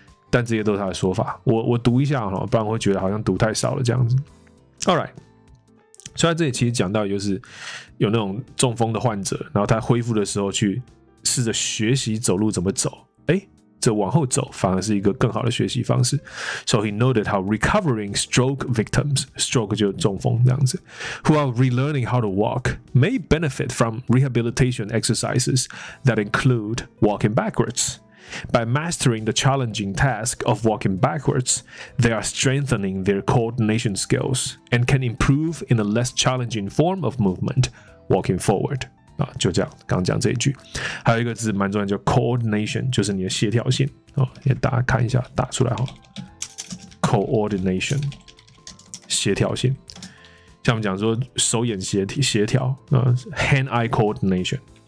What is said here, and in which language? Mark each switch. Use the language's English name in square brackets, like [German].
[Chinese] 但这些都是他的说法， 我读一下，不然我会觉得好像读太少了这样子。 [English] All right， [Chinese] 所以在这里其实讲到就是有那种中风的患者，然后他恢复的时候去试着学习走路怎么走，这往后走反而是一个更好的学习方式。 [English] So he noted how recovering stroke victims, stroke [Chinese] 就是中风这样子， [English] who are relearning how to walk may benefit from rehabilitation exercises that include walking backwards。 By mastering the challenging task of walking backwards, they are strengthening their coordination skills and can improve in a less challenging form of movement, walking forward. [Chinese] 啊，就这样，刚刚讲这一句。还有一个字蛮重要，叫 coordination， 就是你的协调性。也大家看一下，打出来哈。 coordination， 协调性。像我们讲说手眼协调， [English] hand-eye coordination。